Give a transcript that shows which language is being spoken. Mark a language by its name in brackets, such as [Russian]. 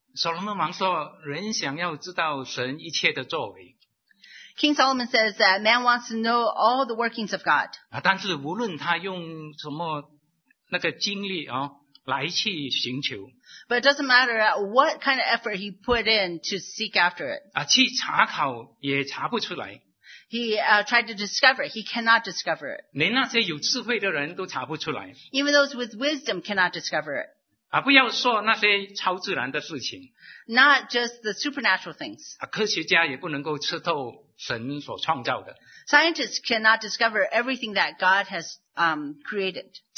[Chinese] 所罗门王说，人想要知道神一切的作为。 [English] King Solomon says that man wants to know all the workings of God. [Chinese] 但是无论他用什么那个精力哦, 来去寻求, [English] but it doesn't matter what kind of effort he put in to seek after it. [Chinese] 去查考也查不出来, [English] he tried to discover it. He cannot discover it. [Chinese] 连那些有智慧的人都查不出来, [English] even those with wisdom cannot discover it. [Chinese] 不要说那些超自然的事情, [English] not just the supernatural things. [Chinese] 科学家也不能够吃透神所创造的, [English] scientists cannot discover everything that God has created.